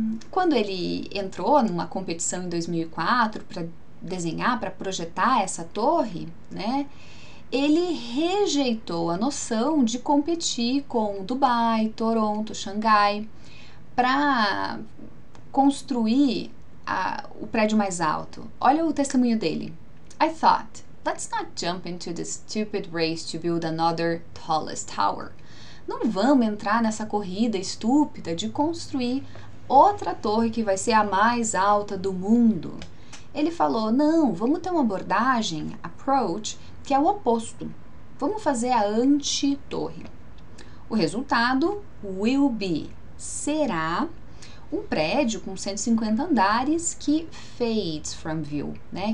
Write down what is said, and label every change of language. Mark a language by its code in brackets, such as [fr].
[pt] Quando ele entrou numa competição em 2004 para desenhar, para projetar essa torre, né? Ele rejeitou a noção de competir com Dubai, Toronto, Xangai para construir o prédio mais alto. Olha o testemunho dele. [en] I thought, let's not jump into this stupid race to build another tallest tower. [pt] Não vamos entrar nessa corrida estúpida de construir outra torre que vai ser a mais alta do mundo. Ele falou, não, vamos ter uma abordagem, approach, que é o oposto. Vamos fazer a anti-torre. O resultado will be, será um prédio com 150 andares que [en] fades from view, [pt] né?